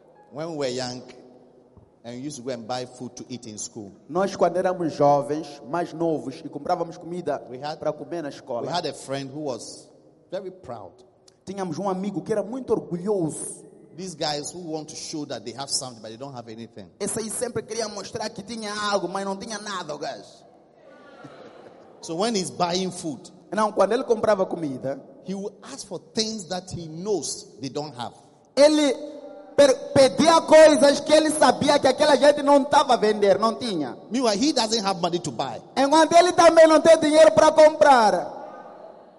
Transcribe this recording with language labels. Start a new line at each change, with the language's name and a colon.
English: When we were young, and we used to go and buy food to eat in school.
Portuguese: Nós quando éramos jovens, mais novos, e comprávamos comida para comer na escola.
English: We had a friend who was very proud.
Portuguese: Tínhamos amigo que era muito orgulhoso.
English: These guys who want to show that they have something but they don't have anything.
Portuguese: Esse aí sempre queria mostrar que tinha algo, mas não tinha nada, guys.
English: So when he's buying food,
Portuguese: então, quando ele comprava comida,
English: he will ask for things that he knows they don't have.
Portuguese: Ele pedia coisas que ele sabia que aquela gente não estava a vender, não tinha.
English: Meanwhile, he doesn't have money to buy.
Portuguese: Enquanto ele também não tem dinheiro para comprar.